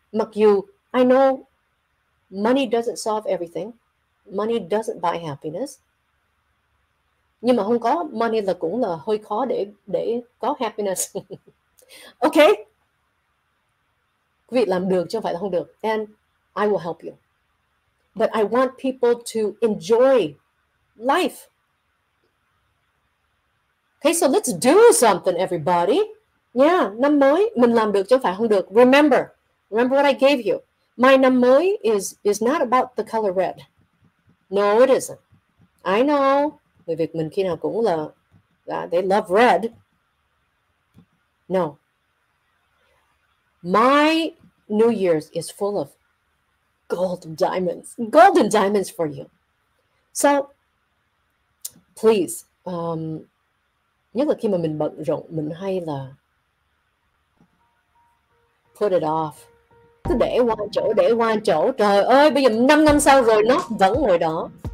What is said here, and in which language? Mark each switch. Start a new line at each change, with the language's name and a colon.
Vietnamese: Mặc dù
English: I know money doesn't solve everything, money doesn't buy happiness,
Vietnamese: nhưng mà không có money là cũng là hơi khó để có happiness. Ok, quý vị làm được chứ không phải là không được.
English: And I will help you, but I want people to enjoy life. Okay, so let's do something, everybody. Yeah,
Vietnamese: năm mới mình làm được chứ không phải không được.
English: Remember what I gave you. My
Vietnamese: năm mới
English: is not about the color red. No, it isn't. I know.
Vietnamese: Người Việt mình khi nào cũng là,
English: they love red. No. My New Year's is full of golden diamonds for you. So, please,
Vietnamese: nhất là khi mà mình bận rộn, mình hay là
English: put it off.
Vietnamese: Cứ để qua chỗ. Trời ơi, bây giờ 5 năm sau rồi, nó vẫn ngồi đó.